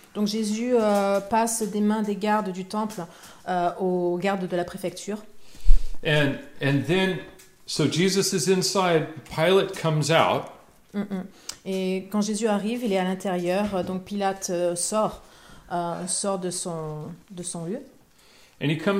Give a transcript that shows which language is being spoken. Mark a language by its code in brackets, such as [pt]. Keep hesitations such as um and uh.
[fr] Donc Jésus passe des mains des gardes du temple aux gardes de la préfecture. [en] Et and, and then so Jesus is inside, Pilate comes out. Mm -hmm. [fr] Et quand Jésus arrive, il est à l'intérieur, donc Pilate sort, euh, sort de son, de son lieu. Et,